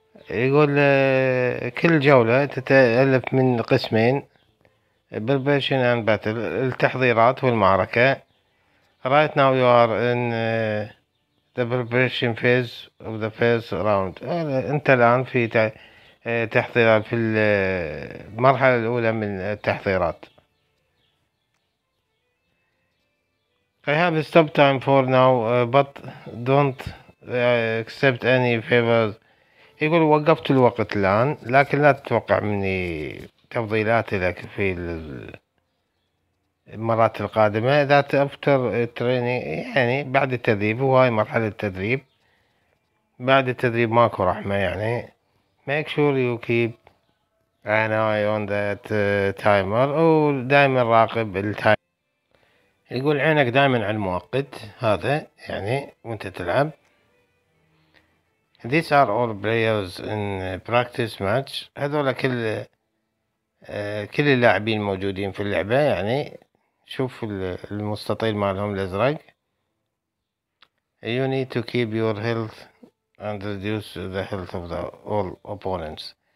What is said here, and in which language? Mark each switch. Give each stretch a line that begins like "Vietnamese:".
Arabic: يقول كل جولة تتألف من قسمين،
English: preparation and battle،
Arabic: التحضيرات والمعركة.
English: right now you are in the preparation phase of the first round.
Arabic: انت الآن في تحضيرات في المرحلة الأولى من التحضيرات.
English: I have a stop time for now but don't accept any favors.
Arabic: يقول وقفت الوقت الآن، لكن لا تتوقع مني تفضيلات لك في المرات القادمة.
English: that after training،
Arabic: يعني بعد التدريب، وهاي مرحلة التدريب، بعد التدريب ماكو رحمة. يعني
English: make sure you keep an eye on that timer،
Arabic: ودائما راقب التايمر. يقول عينك دائما على المؤقت هذا يعني وانت تلعب.
English: these are all players in practice match.
Arabic: هذول كل اللاعبين موجودين في اللعبة. يعني شوف المستطيل مالهم الازرق.
English: you need to keep your health and reduce the health of the all opponents.